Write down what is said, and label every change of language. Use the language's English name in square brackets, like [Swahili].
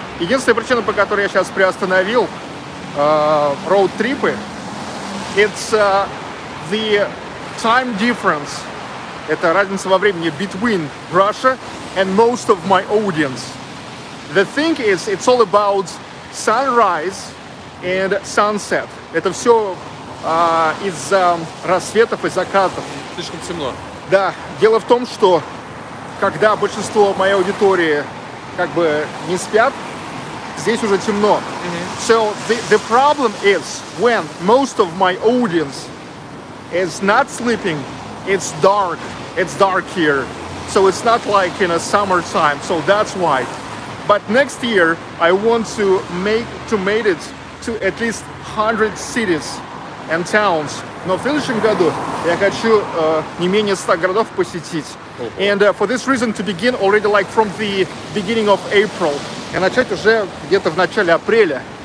[Russian] Единственная причина, по которой я сейчас приостановил [English] road trips, it's the time difference. [Russian] Это разница во времени [English] between Russia and most of my audience. The thing is, it's all about sunrise and sunset. [Russian] Это все из-за рассветов и закатов. Слишком темно. Да. Дело в том, что когда большинство моей аудитории как бы не спят, здесь уже темно. Mm-hmm. [English] So the problem is, when most of my audience is not sleeping, it's dark. It's dark here. So it's not like in a summertime. So that's why. But next year I want to make it to at least 100 cities and towns. [Russian] Но в следующем году я хочу не менее 100 городов посетить. [English] And for this reason to begin already like from the beginning of April. [Russian] И начать уже где-то в начале апреля.